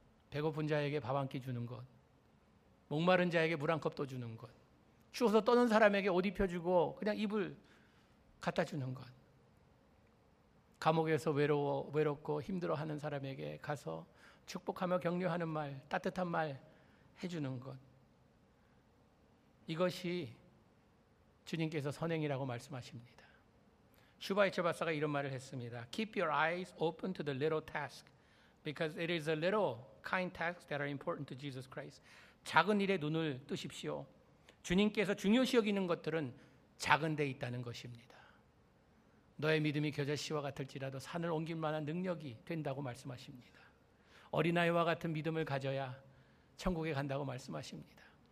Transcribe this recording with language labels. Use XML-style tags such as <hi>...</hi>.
<ko>배고픈 자에게 밥 한 끼 주는 것, 목마른 자에게 물 한 컵도 주는 것, 추워서 떠는 사람에게 옷 입혀주고 그냥 이불 갖다 주는 것, 감옥에서 외롭고 힘들어하는 사람에게 가서 축복하며 격려하는 말, 따뜻한 말 해주는 것, 이것이 주님께서 선행이라고 말씀하십니다. 슈바이처 박사가 이런 말을 했습니다.</ko> <en>Keep your eyes open to the little task because it is the little kind tasks that are important to Jesus Christ.</en> <ko>작은 일에 눈을 뜨십시오. 주님께서 중요시 여기는 것들은 작은 데 있다는 것입니다. 너의 믿음이 겨자씨와 같을지라도 산을 옮길 만한 능력이 된다고 말씀하십니다. 어린아이와 같은 믿음을 가져야 천국에 간다고 말씀하십니다.</ko>